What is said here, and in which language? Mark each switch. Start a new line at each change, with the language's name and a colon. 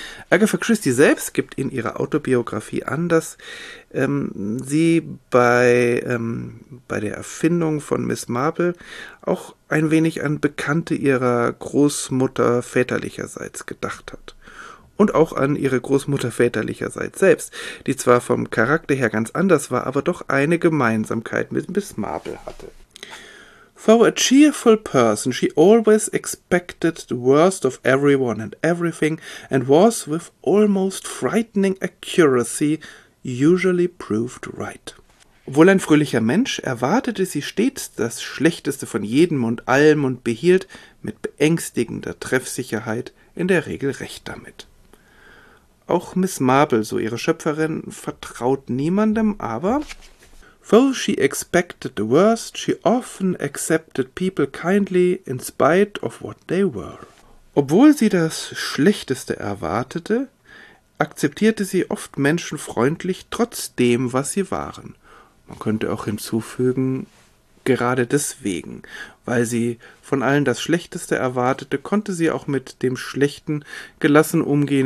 German: Agatha Christie selbst gibt in ihrer Autobiografie an, dass sie bei der Erfindung von Miss Marple auch ein wenig an Bekannte ihrer Großmutter väterlicherseits gedacht hat. Und auch an ihre Großmutter väterlicherseits selbst, die zwar vom Charakter her ganz anders war, aber doch eine Gemeinsamkeit mit Miss Marple hatte.
English: For a cheerful person, she always expected the worst of everyone and everything and was with almost frightening accuracy usually proved right.
German: Wohl ein fröhlicher Mensch, erwartete sie stets das Schlechteste von jedem und allem und behielt mit beängstigender Treffsicherheit in der Regel recht damit. Auch Miss Marple, so ihre Schöpferin, vertraut niemandem, aber
English: though she expected the worst, she often accepted people kindly in spite of what they were.
German: Obwohl sie das Schlechteste erwartete, akzeptierte sie oft Menschen freundlich trotz dem, was sie waren. Man könnte auch hinzufügen, gerade deswegen, weil sie von allen das Schlechteste erwartete, konnte sie auch mit dem Schlechten gelassen umgehen.